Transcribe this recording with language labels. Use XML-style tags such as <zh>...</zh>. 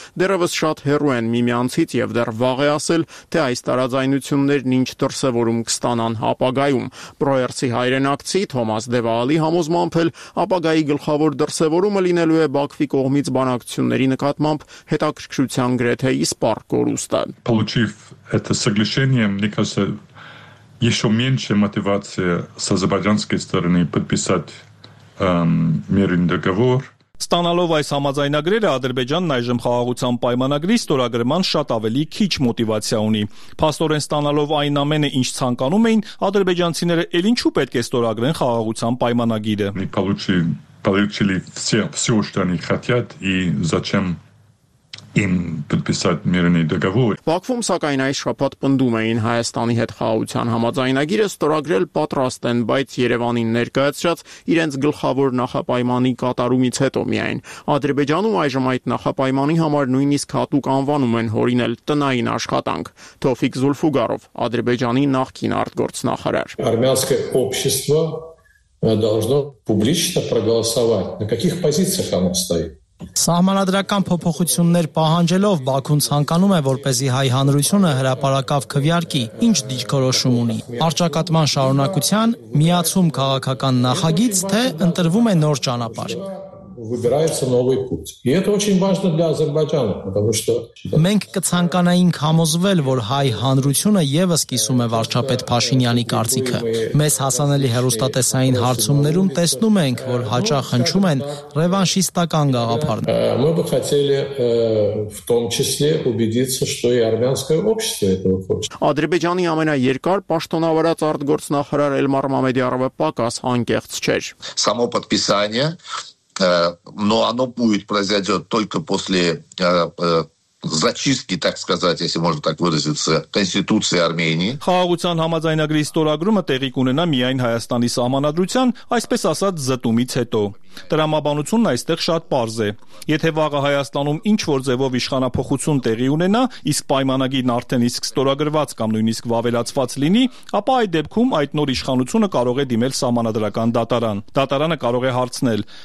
<hy>դեռևս շատ հեռու են միմյանցից, և դեռ վաղ է ասել, թե այս տարաձայնություններն ինչ դրսևորում կստանան ապագայում։ Պրոերսի հայրենակցի Թոմաս Դևալի համոզմամբ էլ ապագայի գլխավոր դրսևորումը լինելու է Բաքվի կողմից բանակցությունների նկատմամբ հետաքրքրության գրեթե իսպար կորուստը։</hy> <ru>Получив это соглашение, мне кажется, ещё меньше мотивация с азербайджанской стороны подписать мирный договор.</ru> <hy>Ստանալով այս համաձայնագրերը, Ադրբեջանն այժմ խաղաղության պայմանագրի ստորագրման շատ ավելի քիչ մոտիվացիա ունի։ Փաստորեն ստանալով այն ամենը, ինչ ցանկանում էին, ադրբեջանցիները էլ ինչու պետք է ստորագրեն խաղաղության պայմանագիրը։ Մենք</hy> <ru>получили все, что они хотят, и зачем им подписать мирный договор.</ru> <hy>Բաքվում, սակայն, այս շաբաթ պնդում էին Հայաստանի հետ խաղաղության համաձայնագիրը ստորագրել պատրաստ են, բայց Երևանին ներկայացրած իրենց գլխավոր նախապայմանի կատարումից հետո միայն։ Ադրբեջանում այժմ այդ նախապայմանի համար նույնիսկ հատուկ անվանում են հորինել տնային աշխատանք։ Թոֆիկ Զուլֆուգարով, Ադրբեջանի նախկին արտգործնախարար։</hy> <ru>Արմենское общество должно публично проголосовать, на каких позициях оно стоит.</ru> <hy>Սահմանադրական փոփոխություններ պահանջելով Բաքուն ցանկանում է, որպեսզի հայ հանրությունը հրապարակավ քվյարկի, ինչ դիրքորոշում ունի։ Արճակատման շարունակության միացում քաղաքական նախագիծ, թե ընտրվում է նոր ճանապարհ։</hy> <ru>Выбирается новый путь. И это очень важно для Азербайджана, потому что</ru> <hy>մենք կցանկանայինք համոզվել, որ հայ հանրությունը եւս սկսում է վարչապետ Փաշինյանի կարծիքը։ Մեզ հասանելի հերոստատեսային հարցումներում տեսնում ենք, որ հաճախ հնչում են ռևանշիստական գաղափարներ։</hy> <ru>Мы бы хотели в том числе убедиться, что и армянское общество этого хочет.</ru> <hy>Ադրբեջանի ամենաերկար պաշտոնավարած արտգործնախարար Էլմար Մամեդիարովը պակաս անկեղծ չէր։</hy> <ru>Само подписание но оно будет произойдет только после зачистки, так сказать, если можно так выразиться, конституции Армении.</ru> <hy>Խաղաղության համաձայնագրի ստորագրումը տեղի կունենա միայն Հայաստանի սահմանադրության, այսպես ասած, զտումից հետո։ Տրամաբանությունն այստեղ շատ պարզ է։ Եթե վաղը Հայաստանում ինչ-որ ձևով իշխանափոխություն տեղի ունենա, իսկ պայմանագիրն արդեն իսկ ստորագրված կամ նույնիսկ վավելացված լինի, ապա այդ դեպքում այդ նոր իշխանությունը կարող է դիմել սահմանադրական դատարան։ Դատարանը կարող է հարցնել,</hy>